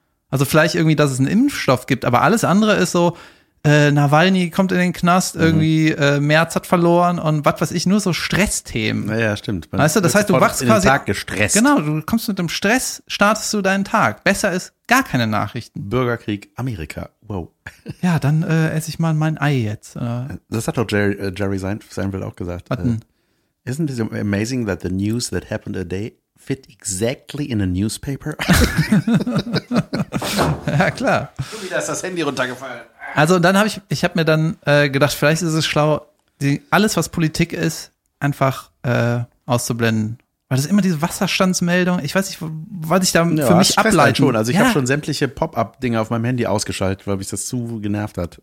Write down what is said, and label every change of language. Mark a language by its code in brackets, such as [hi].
[de] Also vielleicht irgendwie, dass es einen Impfstoff gibt, aber alles andere ist so, Nawalny kommt in den Knast, irgendwie Merz hat verloren und was weiß ich, nur so Stressthemen. Naja, stimmt. Weißt du, das heißt, du wachst quasi den Tag gestresst. Genau, du kommst mit dem Stress, startest du deinen Tag. Besser ist gar keine Nachrichten. Bürgerkrieg, Amerika, wow. Ja, dann esse ich mal mein Ei jetzt. Das hat doch Jerry Seinfeld auch gesagt. [en] Isn't it amazing that the news that happened a day fit exactly in a newspaper? [de] Ja, klar. Wie, da ist das Handy runtergefallen. Also dann habe ich habe mir dann gedacht, vielleicht ist es schlau, alles, was Politik ist, einfach auszublenden. Weil das ist immer diese Wasserstandsmeldung. Ich weiß nicht, was ich da für mich ableite. Halt schon. Also ich habe schon sämtliche Pop-up-Dinge auf meinem Handy ausgeschaltet, weil mich das zu genervt hat.